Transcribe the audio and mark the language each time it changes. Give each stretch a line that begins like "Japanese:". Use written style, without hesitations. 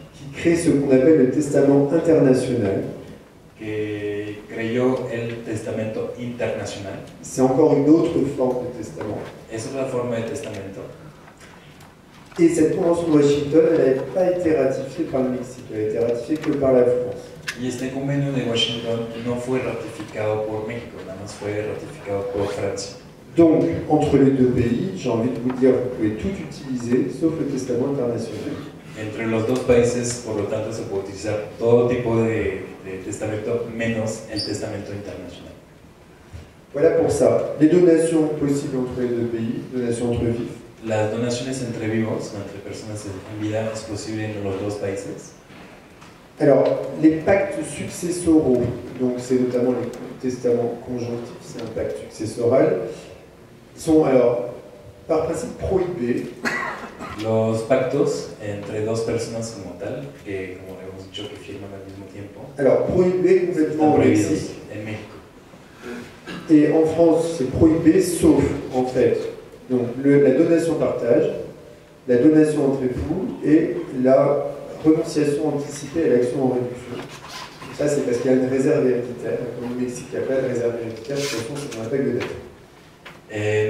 French: Qui crée ce qu'on appelle le testament international.
Spanish: Que creó el testamento internacional.
French: C'est encore une autre forme de testament.
Spanish: Es otra forma de testamento.
French: Et cette convention de Washington, elle n'a pas été ratifiée par le Mexique, elle a été ratifiée que par la France.
Spanish: Y este convenio de Washington no fue ratificado por México, nada más fue ratificado por Francia.
French: Donc, entre les deux pays, j'ai envie de vous dire, vous pouvez tout utiliser, sauf le testament international.
Spanish: Entre los dos países, por lo tanto, se puede utilizar todo tipo de testamento, menos el testamento internacional.
French: Voilà pour ça. Les donations possibles entre les deux pays, donations entre vifs.
Spanish: Las donaciones entre vivos, entre personas en vida, es posible en los dos países.
French: Alors, les pactes successoraux, donc c'est notamment les testaments conjonctifs, c'est un pacte successoral, sont alors par principe prohibés.
Spanish: Los pactos entre dos personas como tal, que como hemos dicho que firman al mismo tiempo.
French: Alors, prohibés complètement en Mexique.
Spanish: En México.
French: Et en France, c'est prohibé, sauf en fait, donc la donation partage, la donation entre époux et la renonciation anticipée à l'action en réduction. Ça, c'est parce qu'il y a une réserve héréditaire. Au Mexique, il n'y a pas de réserve héréditaire, de toute façon, c'est un pacte de dette.